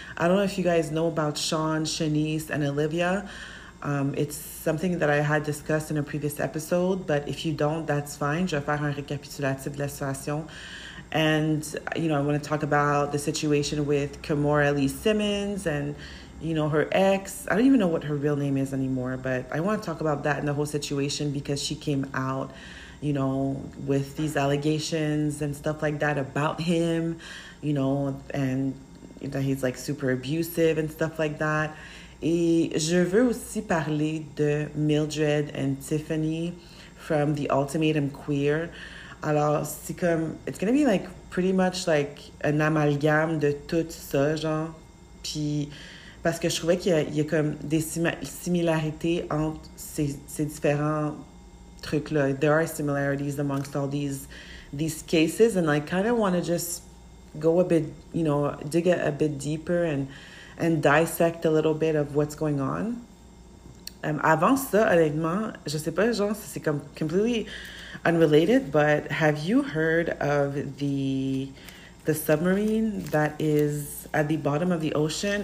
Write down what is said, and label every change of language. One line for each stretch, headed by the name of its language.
English: I don't know if you guys know about Sean, Shanice, and Olivia. It's something that I had discussed in a previous episode, but if you don't, that's fine.
French: Je vais faire un récapitulatif de la situation.
English: And, you know, I want to talk about the situation with Kimora Lee Simmons and, you know, her ex. I don't even know what her real name is anymore, but I want to talk about that and the whole situation because she came out, you know, with these allegations and stuff like that about him, you know, and that he's like super abusive and stuff like that.
French: Et je veux aussi parler de Mildred and Tiffany from The Ultimatum Queer. Alors, c'est comme,
English: it's gonna be like pretty much like an
French: amalgame de tout ça, genre. Puis, parce que je trouvais qu'il y a comme des similarités entre ces différents trucs-là.
English: There are similarities amongst all these cases, and I kind of want to just go a bit, you know, dig a bit deeper and dissect a little bit of what's going on.
French: Avant ça, honnêtement, je sais pas, genre, c'est comme
English: completely unrelated, but have you heard of the submarine that is at the bottom of the ocean?